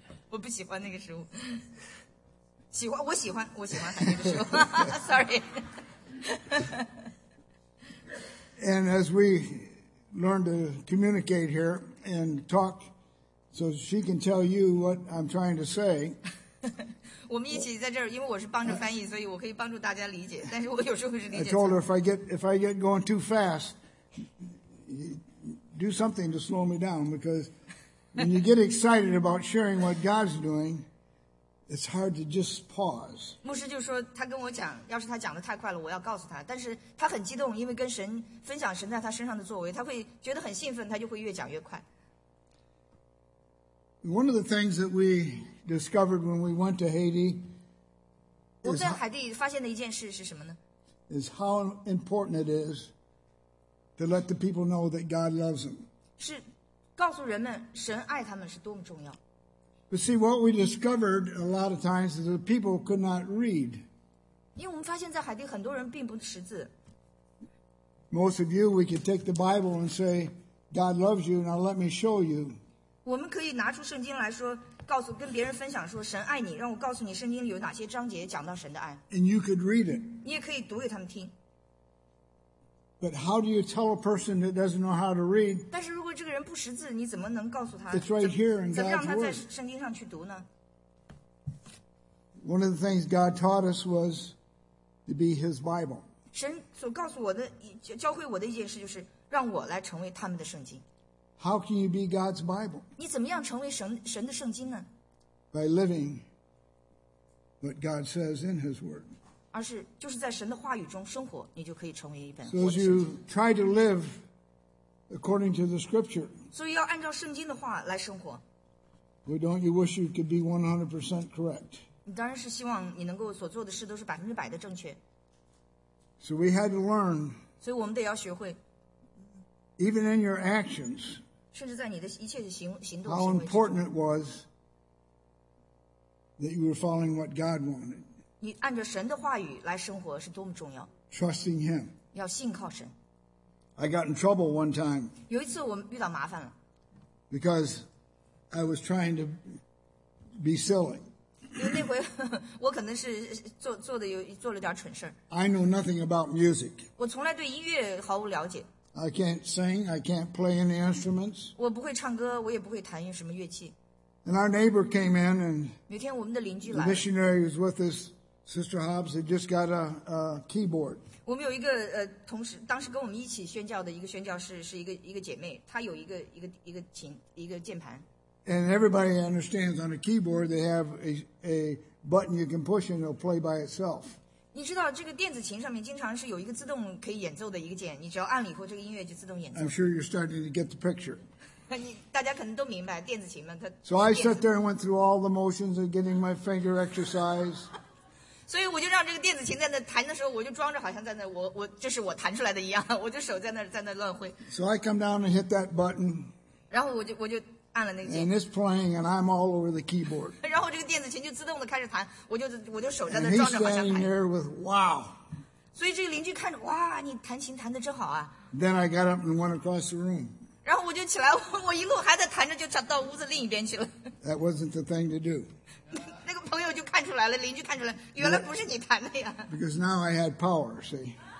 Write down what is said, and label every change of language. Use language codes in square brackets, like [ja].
[zh] 我不喜欢那个食物，喜欢我喜欢那个食物。 [en] Sorry. And as we learn to communicate here and talk, so she can tell you what I'm trying to say. [zh] 我们一起在这儿，因为我是帮着翻译，所以我可以帮助大家理解。但是我有时候是理解。 [en] I told her if I get going too fast, do something to slow me down because. When you get excited about sharing what God's doing, it's hard to just pause. [zh] 牧师就说，他跟我讲，要是他讲得太快了，我要告诉他。但是他很激动，因为跟神分享神在他身上的作为，他会觉得很兴奋，他就会越讲越快。 [en] One of the things that we discovered when we went to Haiti, [zh] 我在海地发现的一件事是什么呢 [en] ？Is how important it is to let the people know that God loves them. [zh] 是。告诉人们神爱他们是多么重要。 [en] But see, what we discovered a lot of times is that people could not read. [zh] 因为我们发现在海地很多人并不识字。 [en] Most of you, we could take the Bible and say, God loves you, now let me show you. [zh] 我们可以拿出圣经来说，告诉跟别人分享说神爱你，让我告诉你圣经里有哪些章节讲到神的爱。 [en] And you could read it. [zh] 你也可以读给他们听。 [en] But how do you tell a person that doesn't know how to read? [zh] 但是如果这个人不识字，你怎么能告诉他？ [en] It's right here in God's Word. [zh] 怎么让他在圣经上去读呢？ [en] One of the things God taught us was to be His Bible. [zh] 神所告诉我的、教会我的一件事就是让我来成为他们的圣经。 [en] How can you be God's Bible? [zh] 你怎么样成为神的圣经呢？ [en] By living what God says in His Word. [zh] 而是就是在神的话语中生活，你就可以成为一本。 [en] So as you try to live according to the scripture, [zh] 所以要按照圣经的话来生活。 [en] Well, don't you wish you could be 100% correct? [zh] 你当然是希望你能够所做的事都是100%的正确。 [en] So we had to learn. [zh] 所以我们得要学会。 [en] Even in your actions, [zh] 甚至在你的一切的行动。 [en] How important it was that you were following what God wanted. [zh] 你按照神的话语来生活是多么重要。 [en] Trusting Him. [zh] 要信靠神。 [en] I got in trouble one time. [zh] 有一次我遇到麻烦了。 [en] Because I was trying to be silly. [zh] 因为那回我可能是做了点蠢事。 [en] I know nothing about music. [zh] 我从来对音乐毫无了解。 [en] I can't sing. I can't play any instruments. [zh] 我不会唱歌，我也不会弹什么乐器。 [en] And our neighbor came in, and [zh] 有天我们的邻居来。 [en] The missionary was with us, Sister Hobbs had just got a keyboard. [zh] 我们有一个同时当时跟我们一起宣教的一个宣教士是一个姐妹，她有一个琴一个键盘。 [en] And everybody understands on a keyboard they have a button you can push and it'll play by itself. [zh] 你知道这个电子琴上面经常是有一个自动可以演奏的一个键，你只要按了以后，这个音乐就自动演奏。 [en] I'm sure you're starting to get the picture. [zh] 大家可能都明白电子琴嘛，它。 [en] So I sat there and went through all the motions of getting my finger exercise. [zh] 所以我就让这个电子琴在那弹的时候，我就装着好像在那我这是我弹出来的一样，我就手在那乱挥。 [en] So I come down and hit that button. [zh] 然后我就。按了那个键。 [en] And it's playing, and I'm all over the keyboard. [zh] 然后这个电子琴就自动的开始弹，我就手在那装着好像弹。 [en] And he's standing there with wow. [zh] 所以这个邻居看着，哇，你弹琴弹的真好啊。 [en] Then I got up and went across the room. [zh] 然后我就起来，我一路还在弹着，就到屋子另一边去了。 [en] That wasn't the thing to do. [zh] 那个朋友就看出来了，邻居看出来，原来不是你弹的呀。 [en] Because now I had power, see.